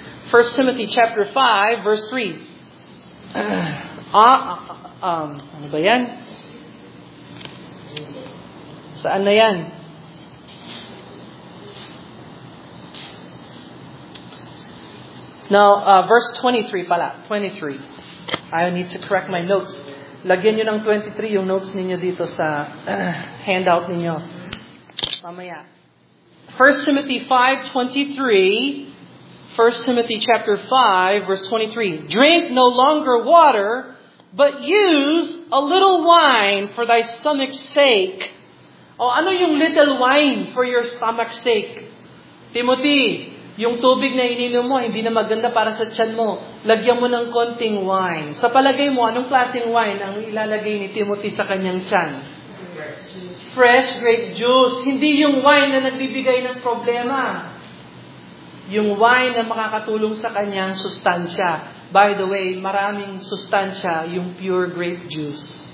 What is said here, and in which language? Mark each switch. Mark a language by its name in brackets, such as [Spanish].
[English] 1 Timothy chapter 5, verse 3. [Filipino] Ano ba yan? Saan na yan? [English] Now, verse 23 pala. 23. I need to correct my notes. [Filipino] Lagyan nyo ng 23 yung notes ninyo dito sa handout ninyo. Mamaya. 1 Timothy 5:23. [English] 1 Timothy chapter 5, verse 23. Drink no longer water, but use a little wine for thy stomach's sake. [Filipino] Oh, ano yung [English] little wine for your stomach's sake? [Filipino] Timothy, yung tubig na ininom mo, hindi na maganda para sa tiyan mo. Lagyan mo ng konting wine. Sa palagay mo, anong klaseng wine ang ilalagay ni Timothy sa kanyang tiyan? [English] Fresh grape juice. [Filipino] Hindi yung wine na nagbibigay ng problema. Yung wine na makakatulong sa kanyang sustansya. [English] By the way, [Filipino] maraming sustansya yung pure grape juice.